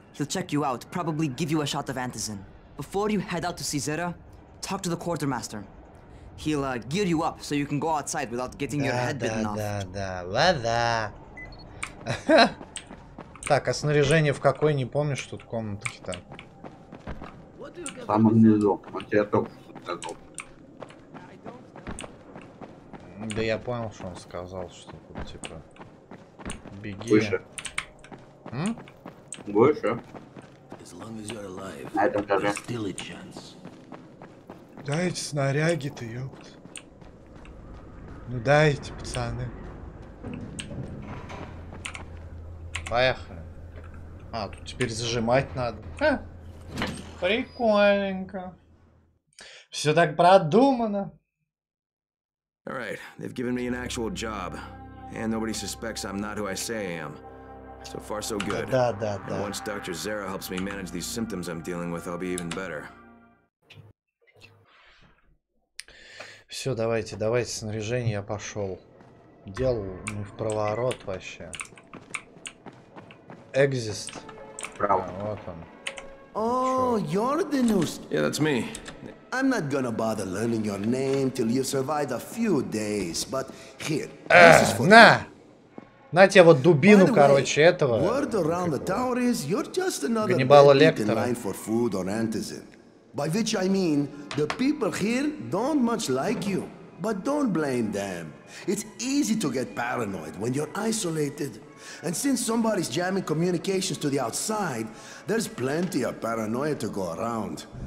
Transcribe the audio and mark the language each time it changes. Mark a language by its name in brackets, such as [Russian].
[English] He'll check you out, probably give you a shot of antizin. Before you head out to see Zera, talk to the quartermaster. He'll gear you up so you can go outside without getting your head bitten off. [Russian] Да. Так, а снаряжение в какой, не помнишь, тут комнатки-то? Там внизу, он тебе только что сказал. Да я понял, что он сказал, что тут типа... Беги. Выше. М? Выше. На этом этаже. Дайте снаряги-то, ёпта. Ну дайте, пацаны. Поехали. А, тут теперь зажимать надо. Ха! Прикольненько. Все так продумано. [English] All right, they've given me an actual job, and nobody suspects I'm not who I say I am. So far, so good. [Russian] Да. [English] And once Dr. Zera helps me manage these symptoms I'm dealing with, I'll be even better. [Russian] Все, давайте снаряжение, я пошел. Дело не в проворот вообще. Exist. Право. А, вот он. [English] Oh, you're the new... Yeah, that's me. I'm not gonna bother learning your name till you survive a few days, but here, this is for you. [Russian] На тебе вот дубину, way, короче, этого... [English] Word around the tower is you're just another man in line for food or antizin. By which I mean, the people here don't much like you. But don't blame them. It's easy to get paranoid when you're isolated. And since somebody's jamming communications to the outside, there's plenty of paranoia to go around.